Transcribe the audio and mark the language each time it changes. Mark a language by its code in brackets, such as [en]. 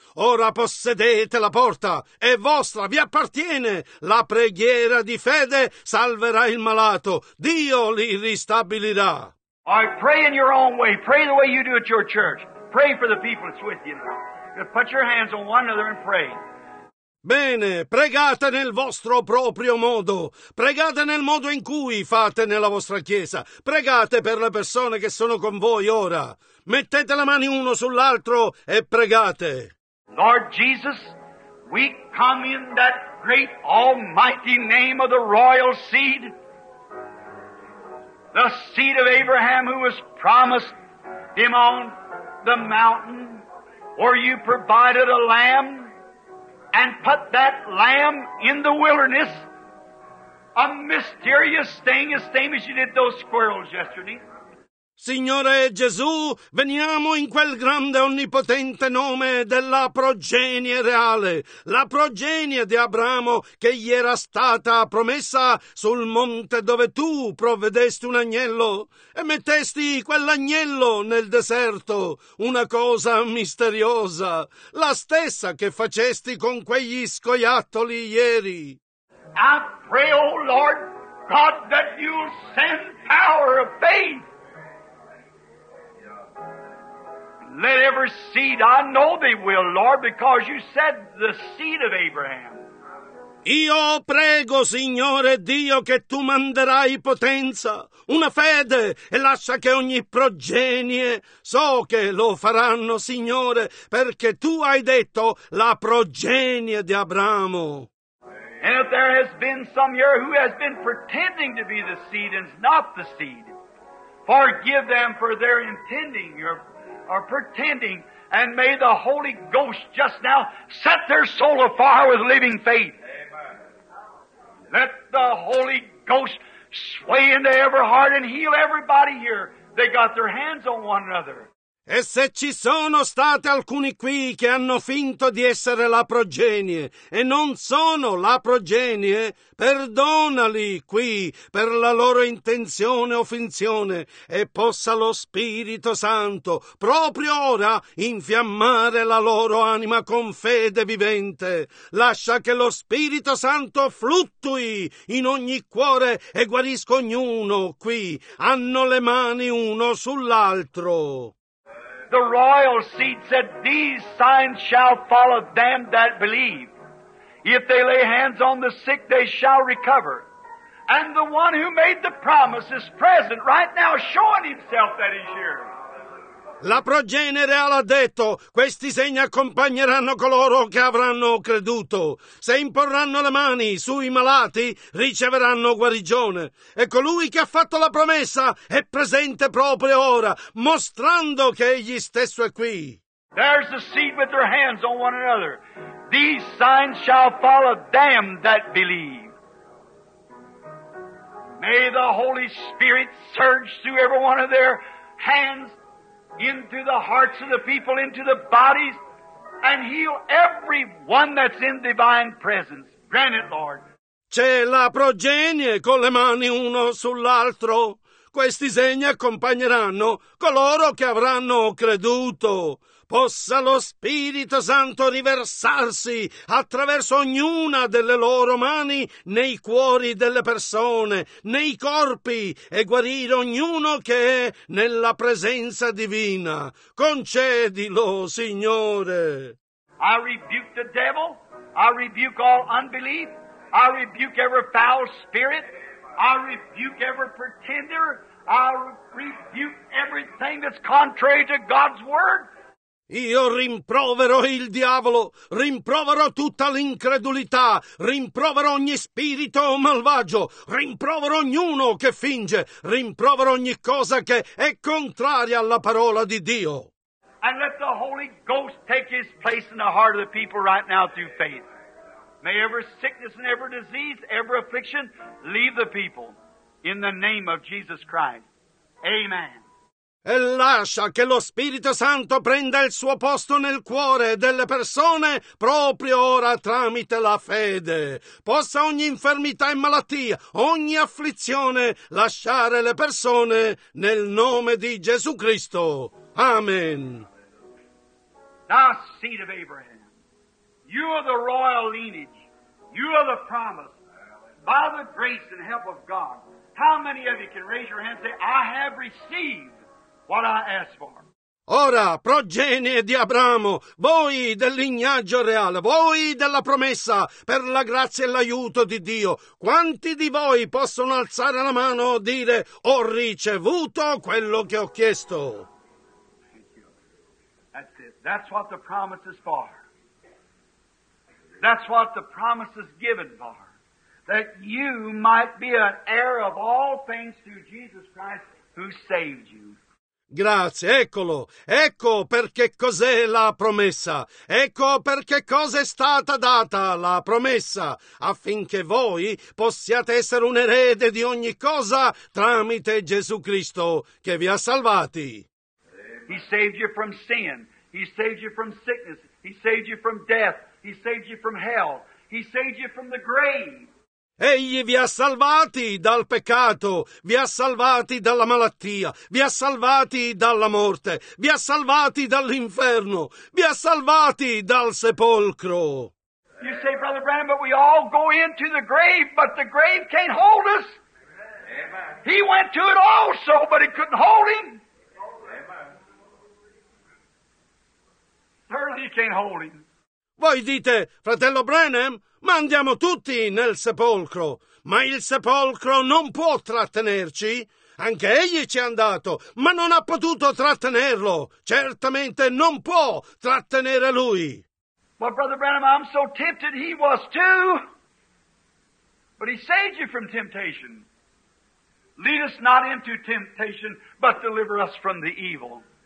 [it] Ora possedete la porta, è vostra, vi appartiene. La preghiera di fede salverà il malato, Dio li ristabilirà. [en] All right, pray in your own way, pray the way you do at your church. Pray for the people that's with you now. Put your hands on one another and pray. [it] Bene, pregate nel vostro proprio modo, pregate nel modo in cui fate nella vostra chiesa, pregate per le persone che sono con voi ora, mettete le mani uno sull'altro e pregate. [en] Lord Jesus, we come in that great almighty name of the royal seed, the seed of Abraham who was promised him on the mountain, where you provided a lamb, and put that lamb in the wilderness, a mysterious thing, the same as you did those squirrels yesterday. [it] Signore Gesù, veniamo in quel grande e onnipotente nome della progenie reale, la progenie di Abramo che gli era stata promessa sul monte dove tu provvedesti un agnello e mettesti quell'agnello nel deserto, una cosa misteriosa, la stessa che facesti con quegli scoiattoli ieri. [en] I pray, O Lord God, that you'll send power of faith. Let every seed, I know they will, Lord, because you said the seed of Abraham. [it] Io prego, Signore Dio, che tu manderai potenza, una fede, e lascia che ogni progenie, so che lo faranno, Signore, perché tu hai detto la progenie di Abramo. [en] And if there has been some here who has been pretending to be the seed and is not the seed, forgive them for their intending your are pretending, and may the Holy Ghost just now set their soul afire with living faith. Amen. Let the Holy Ghost sway into every heart and heal everybody here. They got their hands on one another. [it] E se ci sono state alcuni qui che hanno finto di essere la progenie e non sono la progenie, perdonali qui per la loro intenzione o finzione e possa lo Spirito Santo proprio ora infiammare la loro anima con fede vivente. Lascia che lo Spirito Santo fluttui in ogni cuore e guarisca ognuno qui. Hanno le mani uno sull'altro. [en] The royal seed said, these signs shall follow them that believe. If they lay hands on the sick, they shall recover. And the one who made the promise is present right now, showing himself that he's here. [it] La progenie reale ha detto, questi segni accompagneranno coloro che avranno creduto. Se imporranno le mani sui malati, riceveranno guarigione. E colui che ha fatto la promessa è presente proprio ora, mostrando che egli stesso è qui. [en] There's the seed with their hands on one another. These signs shall follow them that believe. May the Holy Spirit surge through every one of their hands, into the hearts of the people, into the bodies, and heal everyone that's in divine presence. Grant it, Lord. [it] C'è la progenie con le mani uno sull'altro. Questi segni accompagneranno coloro che avranno creduto. Possa lo Spirito Santo riversarsi attraverso ognuna delle loro mani nei cuori delle persone, nei corpi, e guarire ognuno che è nella presenza divina. Concedilo, Signore. [en] I rebuke the devil, I rebuke all unbelief, I rebuke every foul spirit, I rebuke every pretender, I rebuke everything that's contrary to God's word. [it] Io rimproverò il diavolo, rimproverò tutta l'incredulità, rimproverò ogni spirito malvagio, rimproverò ognuno che finge, rimproverò ogni cosa che è contraria alla parola di Dio. [en] And let the Holy Ghost take his place in the heart of the people right now through faith. May every sickness and every disease, every affliction leave the people in the name of Jesus Christ. Amen. [it] E lascia che lo Spirito Santo prenda il suo posto nel cuore delle persone proprio ora tramite la fede. Possa ogni infermità e malattia, ogni afflizione lasciare le persone nel nome di Gesù Cristo. Amen. [en] Thou seed of Abraham, you are the royal lineage, you are the promise. By the grace and help of God, how many of you can raise your hand and say, I have received what I asked for. [it] Ora, progenie di Abramo, voi del lignaggio reale, voi della promessa, per la grazia e l'aiuto di Dio, quanti di voi possono alzare la mano e dire: ho ricevuto quello che ho chiesto? [en] That's it. That's what the promise is for. That's what the promise is given for. That you might be an heir of all things through Jesus Christ who saved you. [it] Grazie, eccolo, ecco perché cos'è la promessa, ecco perché cosa è stata data la promessa, affinché voi possiate essere un erede di ogni cosa tramite Gesù Cristo che vi ha salvati. [en] He saved you from sin, he saved you from sickness, he saved you from death, he saved you from hell, he saved you from the grave. [it] Egli vi ha salvati dal peccato, vi ha salvati dalla malattia, vi ha salvati dalla morte, vi ha salvati dall'inferno, vi ha salvati dal sepolcro. [en] You say, Brother Branham, but we all go into the grave, but the grave can't hold us. Amen. He went to it also, but it couldn't hold him. Amen. Certainly it can't hold him. [it] Voi dite, fratello Branham, ma andiamo tutti nel sepolcro, ma il sepolcro non può trattenerci. Anche egli ci è andato, ma non ha potuto trattenerlo. Certamente non può trattenere lui. [en] Well, Brother Branham, I'm so tempted, he was too. But he saved you from temptation. Lead us not into temptation, but deliver us from the evil.